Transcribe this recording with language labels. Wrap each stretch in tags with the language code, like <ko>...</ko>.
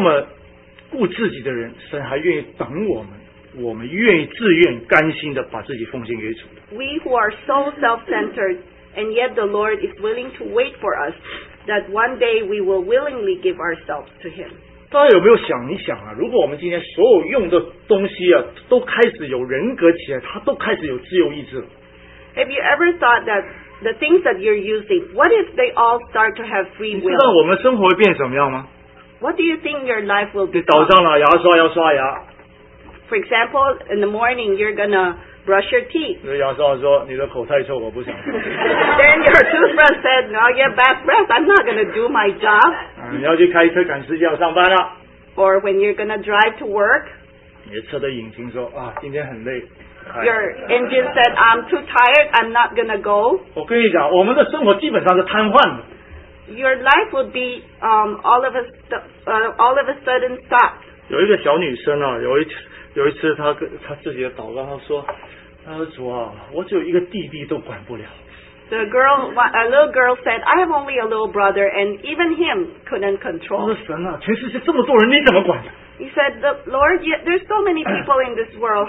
<zh>我们这么顾自己的人, 神还愿意等我们, 我们愿意自愿甘心地把自己奉献给主。</zh> <en>We who are so self-centered, and yet the Lord is willing to wait for us, that one day we will willingly give ourselves to Him.</en> <zh>大家有没有想一想啊, 如果我们今天所有用的东西啊, 都开始有人格起来, 它都开始有自由意志了。</zh> <en>Have you ever thought that the things that you're using, what if they all start to have free will?</en> <zh>你知道我们生活会变怎么样吗?</zh> <en>What do you think your life will be?</en> <zh>早上了牙刷要刷牙。</zh> <en>For example, in the morning, you're going to brush your teeth.</en> <zh>牙刷说,你的口太臭,我不想。</zh> <en>Then your toothbrush said, no, I get bad breath, I'm not going to do my job.</en> <zh>你要去开车赶时间要上班了。</zh> <en>Or when you're going to drive to work.</en> <zh>你的车的引擎说,今天很累。</zh> <en>Your engine said, I'm too tired, I'm not going to go.</en> <zh>我跟你讲,我们的生活基本上是瘫痪的。</zh> <en>Your life would be all of a sudden stopped.</en> <zh>有一个小女生啊,有一次她自己的祷告,她说,主啊,我只有一个弟弟都管不了。</zh> <en>A little girl said, I have only a little brother, and even him couldn't control.</en> <zh>我说神啊,全世界这么多人,你怎么管?</zh> <en>He said, Lord, there's so many people in this world.</en>